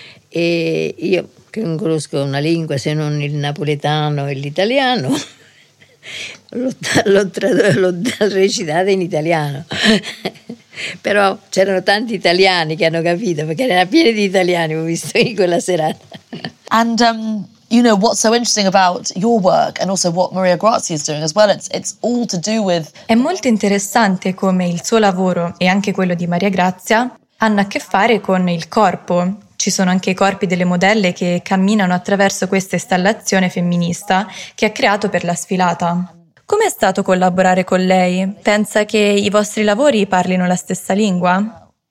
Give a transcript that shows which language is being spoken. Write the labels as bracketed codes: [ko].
[it] E io, che non conosco una lingua se non il napoletano e l'italiano, l'ho recitata in italiano. Però c'erano tanti italiani che hanno capito, perché era pieno di italiani, ho visto in quella serata. [en] And you know what's so interesting about your work and also what Maria Grazia is doing as well, it's all to do with... [it] È molto interessante come il suo lavoro e anche quello di Maria Grazia hanno a che fare con il corpo. Ci sono anche i corpi delle modelle che camminano attraverso questa installazione femminista che ha creato per la sfilata. Come è stato collaborare con lei? Pensa che i vostri lavori parlino la stessa lingua?